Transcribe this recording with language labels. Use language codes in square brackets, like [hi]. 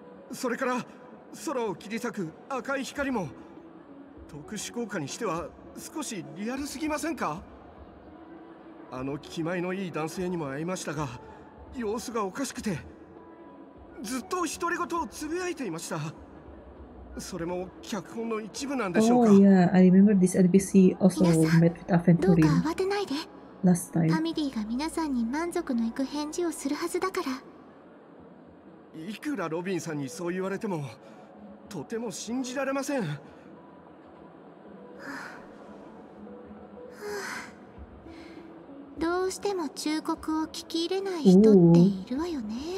[ja] それから空を切り裂く赤い光も、特殊効果にしては少しリアルすぎませんか？あの気前のいい男性にも会いましたが、様子がおかしくてずっと独り言をつぶやいていました。それも脚本の一部なんでしょうか？ [en] Oh yeah, I remember this NPC also met with Aventurine. [ja] どうか慌てないで。 [en] Last time. [ja] ファミリーが皆さんに満足のいく返事をするはずだから。いくらロビンさんにそう言われても、とても信じられません。はあ、どうしても忠告を聞き入れない人っているわよね。